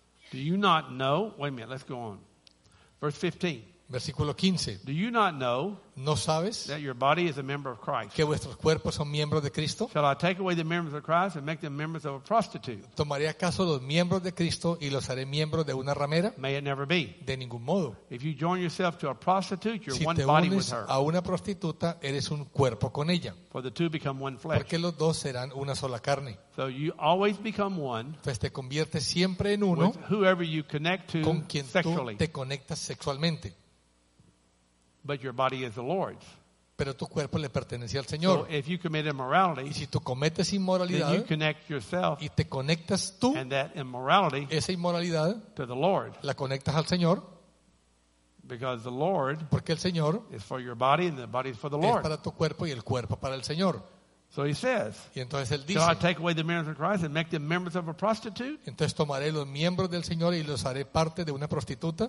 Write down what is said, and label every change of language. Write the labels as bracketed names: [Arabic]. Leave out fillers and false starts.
[English] Do you not know? Wait a minute, let's go on. Verse 15. [Spanish] Versículo 15. [English] Do you not know, [Spanish] ¿no sabes, [English] that your body is a member of Christ? [Spanish] ¿Que vuestros cuerpos son miembros de Cristo? [English] Shall I take away the members of Christ and make them members of a prostitute? [Spanish] ¿Tomaré acaso los miembros de Cristo y los haré miembros de una ramera? [English] May it never be. [Spanish] De ningún modo. [English] If you join yourself to a prostitute, you're [Spanish] si [English] one body with her. [Spanish] Si te unes a una prostituta, eres un cuerpo con ella. [English] For the two become one flesh. [Spanish] Porque los dos serán una sola carne. [English] So you always become one. [Spanish] Pues te conviertes siempre en uno. [English] With whoever you connect to [Spanish] con quien [English] sexually. [Spanish] Tú te conectas sexualmente. [English] But your body is the Lord's. [Spanish] Pero tu cuerpo le pertenece al Señor. [English] So if you commit immorality, [Spanish] y si tú cometes inmoralidad, [English] then you connect yourself, [Spanish] y te conectas tú, [English] and that immorality, [Spanish] esa inmoralidad, [English] to the Lord, [Spanish] la conectas al Señor, [English] because the Lord, [Spanish] porque el Señor, [English] is for your body and the body is for the Lord, [Spanish] es para tu cuerpo y el cuerpo para el Señor. [English] So he says, [Spanish] y entonces él dice, [English] shall I take away the members of Christ and make them members of a prostitute? [Spanish] Entonces tomaré los miembros del Señor y los haré parte de una prostituta.